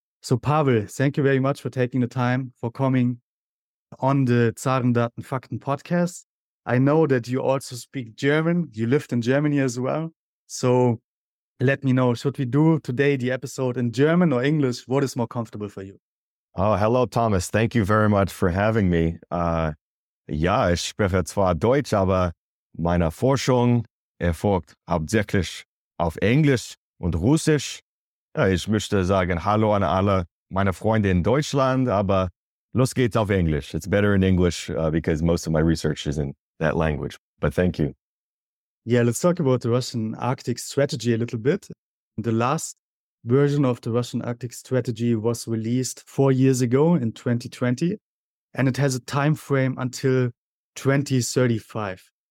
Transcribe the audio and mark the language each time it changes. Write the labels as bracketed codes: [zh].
[en] So Pavel, thank you very much for taking the time for coming on the Zaren, Daten, Fakten podcast. I know that you also speak German. You lived in Germany as well. So let me know, should we do today the episode in German or English? What is more comfortable for you? Oh, hello, Thomas. Thank you very much for having me. [de] Ja, ich spreche zwar Deutsch, aber meine Forschung erfolgt hauptsächlich auf Englisch und Russisch. Ja, ich möchte sagen Hallo an alle meine Freunde in Deutschland, aber los geht's auf Englisch. [en] It's better in English because most of my research is in that language. But thank you. Yeah, let's talk about the Russian Arctic strategy a little bit. The last version of the Russian Arctic strategy was released 4 years ago in 2020, and it has a time frame until 2035.